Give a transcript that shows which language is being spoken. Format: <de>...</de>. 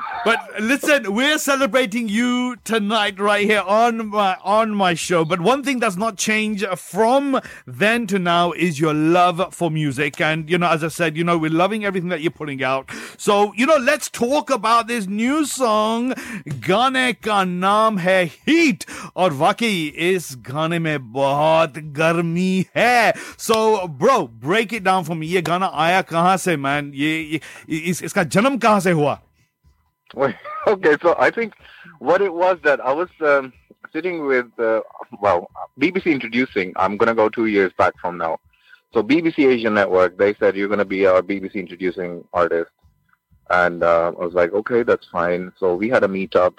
<en>But listen, we're celebrating you tonight right here on my show. But one thing that's not changed from then to now is your love for music. And, you know, as I said, you know, we're loving everything that you're putting out. So, you know, let's talk about this new song, Gaane Ka Naam Hai Heat.</en> <hi>और वाक़ई इस गाने में बहुत गर्मी है.</hi> <en>So, bro, break it down for me.</en> <hi>ये गाना आया कहाँ से, man? इसका जनम कहाँ से हुआ?</hi> <en>Okay, so I think what it was that I was sitting with, BBC Introducing, I'm going to go 2 years back from now. So BBC Asia Network, they said, you're going to be our BBC Introducing artist. And I was like, okay, that's fine. So we had a meetup.</en>